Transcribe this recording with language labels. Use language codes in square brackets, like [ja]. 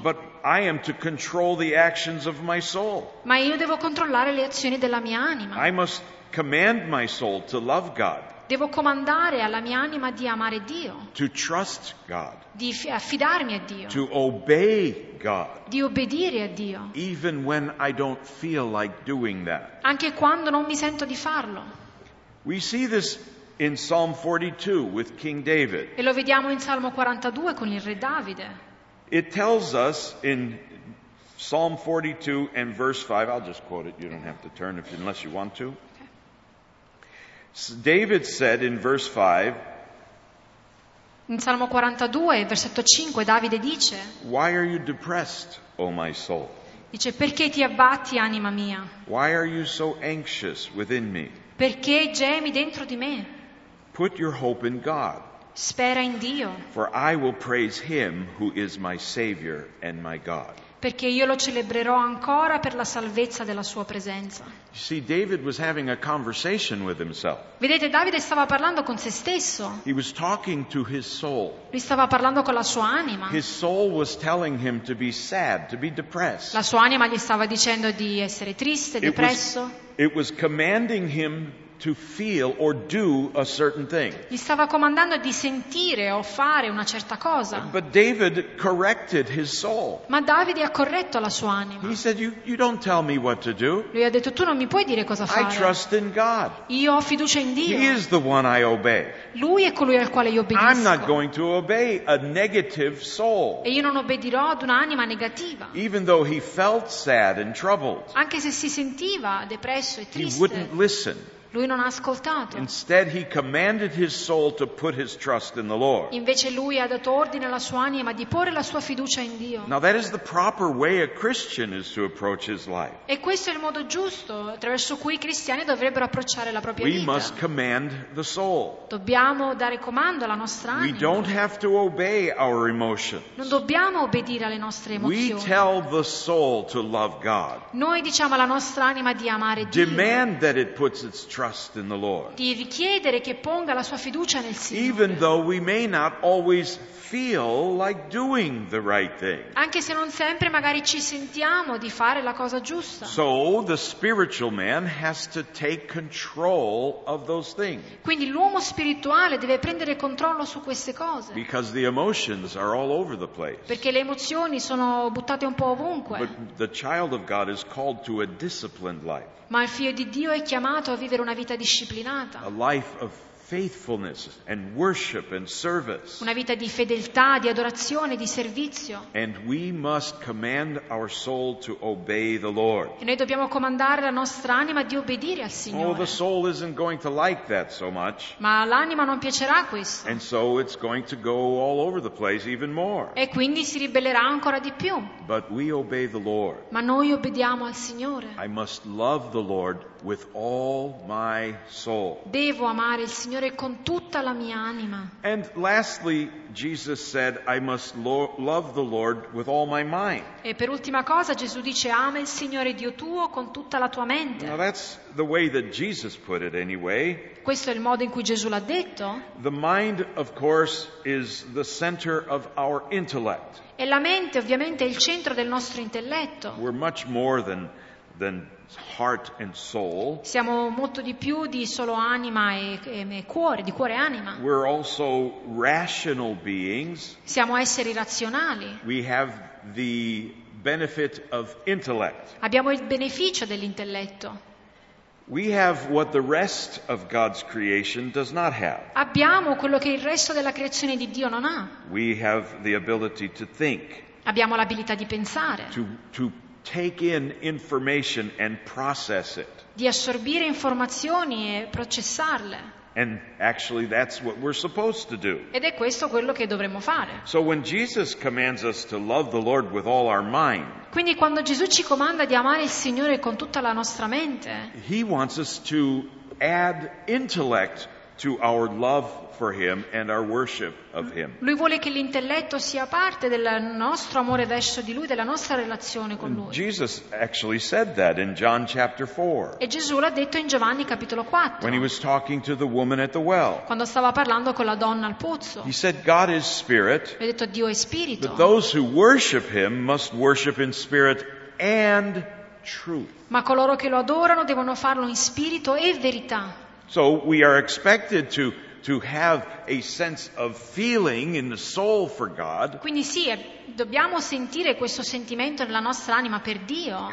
[en] But I am to control the actions of my soul. [it] Ma io devo controllare le azioni della mia anima. [en] I must command my soul to love God. [it] Devo comandare alla mia anima di amare Dio. [en] To trust God. [it] Di affidarmi a Dio. [en] To obey God. [it] Di obbedire a Dio. [en] Even when I don't feel like doing that. [it] Anche quando non mi sento di farlo. [en] We see this in Psalm 42 with King David. [it] E lo vediamo in Salmo 42 con il re Davide. [en] It tells us in Psalm 42 and verse 5, I'll just quote it, you don't have to turn if, unless you want to. David said in verse 5, [it] in Salmo 42, versetto 5, Davide dice, [en] why are you depressed, O my soul? [it] Dice, perché ti abbatti, anima mia? [en] Why are you so anxious within me? [it] Perché gemi dentro di me? [en] Put your hope in God. [it] Spera in Dio. [en] For I will praise Him who is my Savior and my God. [it] Perché io lo celebrerò ancora per la salvezza della sua presenza. [en] See, David was having a conversation with himself. [it] Vedete, Davide stava parlando con se stesso. [en] He was talking to his soul. [it] Lui stava parlando con la sua anima. [en] His soul was telling him to be sad, to be depressed. [it] La sua anima gli stava dicendo di essere triste, depresso. [en] It was commanding him to feel or do a certain thing. [it] Gli stava comandando di sentire o fare una certa cosa. [en] But David corrected his soul. [it] Ma Davide ha corretto la sua anima. [en] He said, you don't tell me what to do. [it] Lui ha detto, tu non mi puoi dire cosa fare. [en] I trust in God. [it] Io ho fiducia in Dio. [en] He is the one I obey. [it] Lui è colui al quale io obbedisco. [en] I'm not going to obey a negative soul. [it] E io non obbedirò ad un'anima negativa. [en] Even though he felt sad and troubled. [it] Anche se si sentiva depresso e triste. [en] He wouldn't listen. [it] Lui non ha ascoltato. [en] Instead, he commanded his soul to put his trust in the Lord. [it] Invece lui ha dato ordine alla sua anima di porre la sua fiducia in Dio. [en] Now that is the proper way a Christian is to approach his life. [it] E questo è il modo giusto attraverso cui i cristiani dovrebbero approcciare la propria [en] we [it] vita. [en] We must command the soul. [it] Dobbiamo dare comando alla nostra anima. [en] We don't have to obey our emotions. [it] Non dobbiamo obbedire alle nostre emozioni. [en] We tell the soul to love God. [it] Noi diciamo alla nostra anima di amare Dio. [en] Demand that it puts its trust in the Lord. [it] Di richiedere che ponga la sua fiducia nel Signore. [en] Even though we may not always feel like doing the right thing. [it] Anche se non sempre magari ci sentiamo di fare la cosa giusta. [en] So the spiritual man has to take control of those things. [it] Quindi l'uomo spirituale deve prendere controllo su queste cose. [en] Because the emotions are all over the place. [it] Perché le emozioni sono buttate un po' ovunque. [en] But the child of God is called to a disciplined life. [it] Ma il figlio di Dio è chiamato a vivere una vita disciplinata. [en] A life of faithfulness and worship and service. [it] Una vita di fedeltà, di adorazione, di servizio. [en] And we must command our soul to obey the Lord. [it] E noi dobbiamo comandare la nostra anima di obbedire al Signore. [en] Oh, the soul isn't going to like that so much. [it] Ma l'anima non piacerà questo. [en] And so it's going to go all over the place even more. [it] E quindi si ribellerà ancora di più. [en] But we obey the Lord. [it] Ma noi obbediamo al Signore. [en] I must love the Lord with all my soul. [it] Devo amare il Signore con tutta la mia anima. [en] And lastly, Jesus said, I must love the Lord with all my mind. [it] E per ultima cosa Gesù dice, ama il Signore Dio tuo con tutta la tua mente. [en] Now that's the way that Jesus put it anyway. [it] Questo è il modo in cui Gesù l'ha detto. [en] The mind, of course, is the center of our intellect. [it] E la mente, ovviamente, è il centro del nostro intelletto. [en] We're much more than heart and soul. [it] Siamo molto di più di solo anima e cuore, di cuore e anima. [en] We're also rational beings. [it] Siamo esseri razionali. [en] We have the benefit of intellect. [it] Abbiamo il beneficio dell'intelletto. [en] We have what the rest of God's creation does not have. [it] Abbiamo quello che il resto della creazione di Dio non ha. [en] We have the ability to think. [it] Abbiamo l'abilità di pensare. [en] To take in information and process it. [it] Di assorbire informazioni e processarle. [en] And actually that's what we're supposed to do. [it] Ed è questo quello che dovremmo fare. [en] So when Jesus commands us to love the Lord with all our mind. [it] Quindi quando Gesù ci comanda di amare il Signore con tutta la nostra mente. [en] He wants us to add intellect to our love for him and our worship of him. [it] Lui vuole che l'intelletto sia parte del nostro amore verso di lui, della nostra relazione con lui. [en] Jesus actually said that in John chapter 4. [it] E Gesù l'ha detto in Giovanni capitolo 4. [en] When he was talking to the woman at the well. [it] Quando stava parlando con la donna al pozzo. [en] He said God is spirit. [it] Ha detto Dio è spirito. [en] But those who worship him must worship in spirit and truth. [it] Ma coloro che lo adorano devono farlo in spirito e verità. [en] So we are expected to have a sense of feeling in the soul for God. [it] Quindi sì, dobbiamo sentire questo sentimento nella nostra anima per Dio.